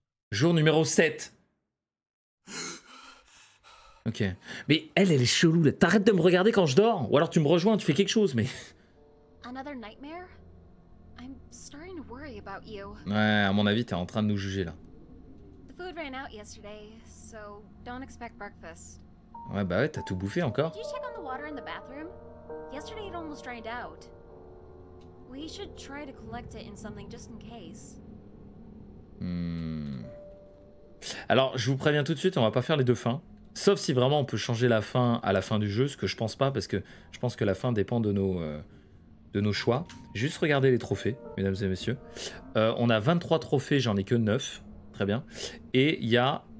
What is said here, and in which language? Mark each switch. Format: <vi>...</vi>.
<fr>Jour numéro 7. Ok. Mais elle, elle est chelou là. T'arrêtes de me regarder quand je dors. Ou alors tu me rejoins, tu fais quelque chose, mais...</fr> <en>Another nightmare? I'm starting to worry about you.</en> <fr>Ouais, à mon avis, t'es en train de nous juger là.</fr> <en>The food ran out yesterday, so don't expect breakfast.</en> <fr>Ouais, bah ouais, t'as tout bouffé encore.</fr> <en>Did you check on the water in the bathroom? Yesterday it almost drained out. We should try to collect it in something just in case.</en> <fr>Alors, je vous préviens tout de suite, on va pas faire les deux fins. Sauf si vraiment on peut changer la fin à la fin du jeu, ce que je pense pas, parce que je pense que la fin dépend de nos choix. Juste regardez les trophées, mesdames et messieurs. On a 23 trophées, j'en ai que 9. Très bien. Et il y a...</fr>